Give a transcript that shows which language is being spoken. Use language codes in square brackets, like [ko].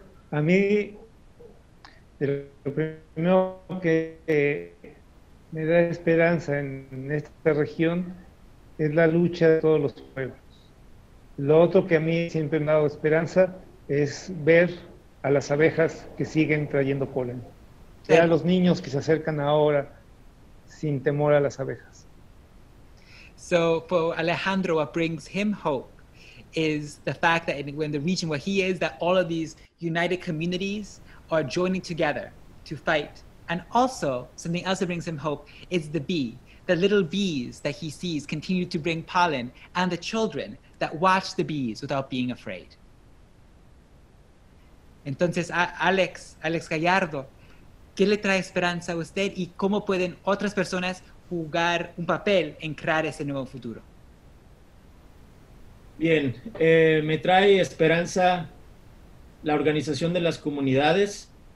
[es] A mí, lo primero que me da esperanza en esta región es la lucha de todos los pueblos. Lo otro que a mí siempre me ha dado esperanza es ver a las abejas que siguen trayendo polen. Sí. A los niños que se acercan ahora sin temor a las abejas. [en] So for Alejandro, what brings him hope is the fact that in the region where he is, that all of these united communities are joining together to fight. And also, something else that brings him hope is the bee, the little bees that he sees continue to bring pollen, and the children that watch the bees without being afraid. [es] Entonces, Alex Gallardo, ¿qué le trae esperanza a usted y cómo pueden otras personas jugar un papel en crear ese nuevo futuro? Bien, me trae esperanza la organización de las comunidades.